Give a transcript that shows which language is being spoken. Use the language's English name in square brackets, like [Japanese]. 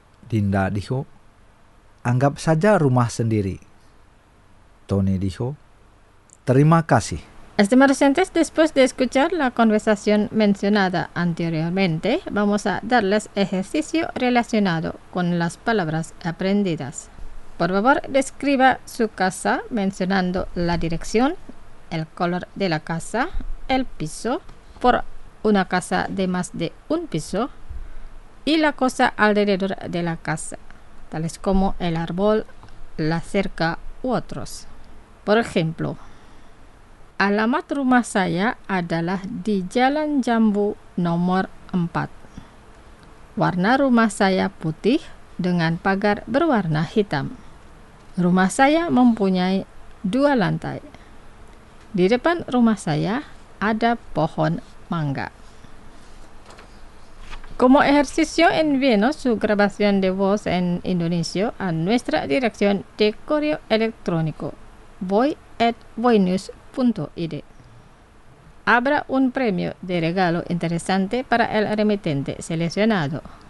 [Indonesian] Dinda dijo, anggap saja rumah sendiri. Tony dijo, terima kasih. [Spanish] Estimados oyentes, después de escuchar la conversación mencionada anteriormente, vamos a darles ejercicio relacionado con las palabras aprendidas. Por favor, describa su casa mencionando la dirección, el color de la casa, el piso, por una casa de más de un piso, y la cosa alrededor de la casa, tales como el árbol, la cerca u otros. Por ejemplo, [Indonesian] alamat rumah saya adalah di Jalan Jambu nomor 4. Warna rumah saya putih dengan pagar berwarna hitam. Rumah saya mempunyai 2 lantai. Di depan rumah saya ada pohon mangga. [Spanish] Como ejercicio, envíenos su grabación de voz en indonesio a nuestra dirección de correo electrónico voy@voynews.id. Habrá un premio de regalo interesante para el remitente seleccionado.